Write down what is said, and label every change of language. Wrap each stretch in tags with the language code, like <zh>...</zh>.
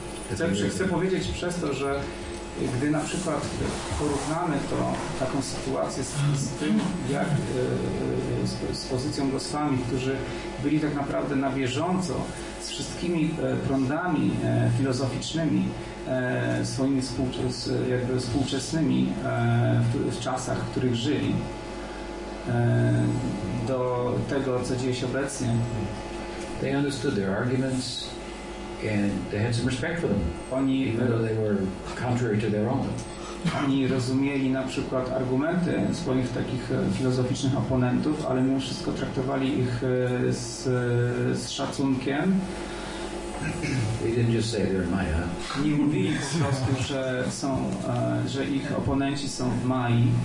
<pl>I jakby chcę powiedzieć przez to, że gdy na przykład porównamy to taką sytuację z tym, jak z pozycją Goswami, którzy byli tak naprawdę na bieżąco z wszystkimi prądami filozoficznymi, swoimi współczesnymi w czasach, w których żyli, do tego, co dzieje się obecnie.</pl> <en>They understood their arguments and they had some respect for them.</en> <pl>Oni,</pl> <en>even though they were contrary to their own.</en> <pl>Oni rozumieli na przykład argumenty swoich takich filozoficznych oponentów, ale mimo wszystko traktowali ich z szacunkiem.</pl> <en>They didn't just say they're Maya.</en> <pl>Nie mówili po prostu, że są, że ich oponenci są Mai.</pl>